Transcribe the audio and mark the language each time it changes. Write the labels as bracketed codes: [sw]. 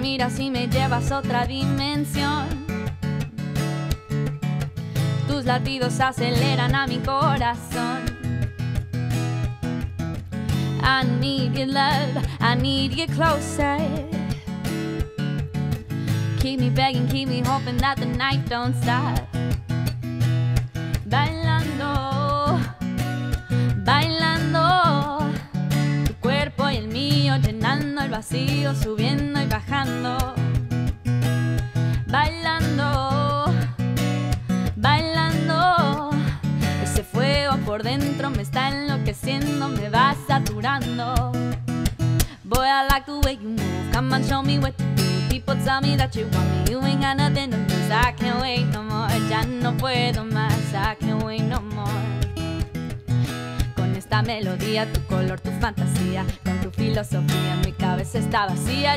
[es] Si me llevas a otra dimensión, tus latidos aceleran a mi corazón. [en] I need your love, I need you closer. Keep me begging, keep me hoping that the night don't stop. [es] Bailando, bailando, tu cuerpo y el mío llenando el vacío, subiendo y bajando. Bailando, bailando, ese fuego por por dentro me está enloqueciendo, me va saturando. [en] Boy, I like the way you move. Come on, show me what to do. People tell me that you want me. You ain't got nothing to lose. I can't wait no more. [es] Ya no puedo más. [en] I can't wait no more. [es] Con esta melodía, tu color, tu fantasía, con tu filosofía, mi cabeza está vacía.